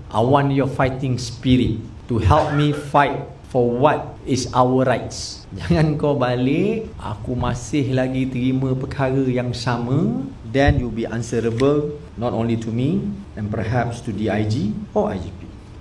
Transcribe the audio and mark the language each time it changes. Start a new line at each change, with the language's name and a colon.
English: I want your fighting spirit to help me fight for what is our rights.
Malay: Jangan kau balik, aku masih lagi terima perkara yang sama.
English: Then you'll be answerable, not only to me, and perhaps to DIG or IGP.